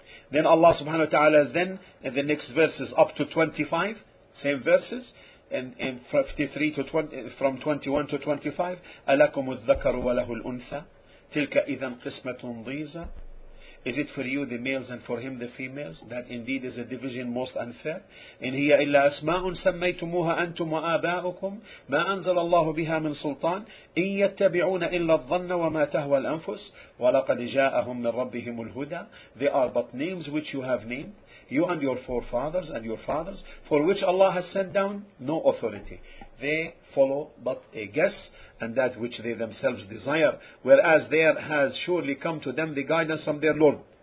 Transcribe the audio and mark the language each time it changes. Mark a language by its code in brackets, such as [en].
[en] Then Allah subhanahu wa ta'ala, then in the next verses up to 25, same verses, and 53 to 20, from 21 to 25, [ar] أَلَكُمُ الذَّكَرُ وَلَهُ الْأُنْثَى تِلْكَ إِذًا قِسْمَةٌ ضِيزَى. [en] Is it for you the males and for him the females? That indeed is a division most unfair. [ar] إن هي إلا أسماء سميتموها أنتم وآباؤكم ما أنزل الله بها من سلطان إن يتبعون إلا الظن وما تهوى الأنفس ولقد جاءهم من ربهم الهدى. [en] They are but names which you have named, you and your forefathers and your fathers, for which Allah has sent down no authority. They follow but a guess and that which they themselves desire, whereas there has surely come to them the guidance from their Lord.